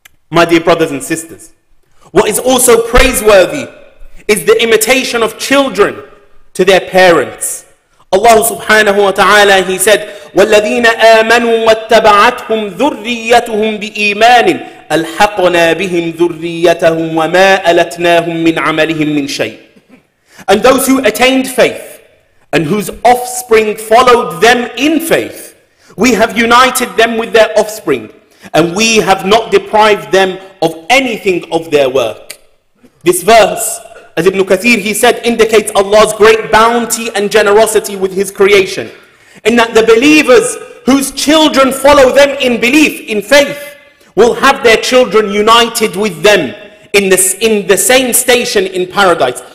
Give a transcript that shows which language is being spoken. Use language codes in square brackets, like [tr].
[en] My dear brothers and sisters, what is also praiseworthy is the imitation of children to their parents. [ar] Allah subhanahu wa ta'ala, [en] he said, [ar] وَالَّذِينَ آمَنُوا وَاتَّبَعَتْهُمْ ذُرِّيَّتُهُمْ بِإِيمَانٍ أَلْحَقْنَا بِهِمْ ذُرِّيَّتَهُمْ وَمَا أَلَتْنَاهُمْ مِنْ عَمَلِهِمْ مِنْ شَيْءٍ. [en] And those who attained faith and whose offspring followed them in faith, we have united them with their offspring and we have not deprived them of anything of their work. This verse, as Ibn Kathir, he said, indicates Allah's great bounty and generosity with his creation, in that the believers whose children follow them in belief, in faith, will have their children united with them in the same station in paradise.